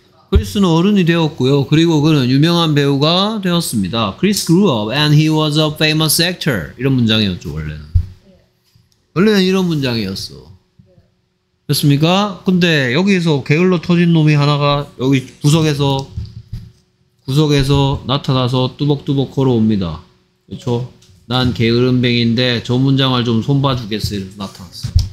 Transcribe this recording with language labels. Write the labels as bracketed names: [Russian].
[Korean] 크리스는 어른이 되었고요. 그리고 그는 유명한 배우가 되었습니다. [English] Chris grew up and he was a famous actor. [Korean] 이런 문장이었죠, 원래는. 원래는 이런 문장이었어. 됐습니까? 근데 여기서 게을러 터진 놈이 하나가 여기 구석에서 구석에서 나타나서 뚜벅뚜벅 걸어옵니다. 그렇죠? 난 게으름뱅인데 저 문장을 좀 손봐주겠어. 이래서 나타났어.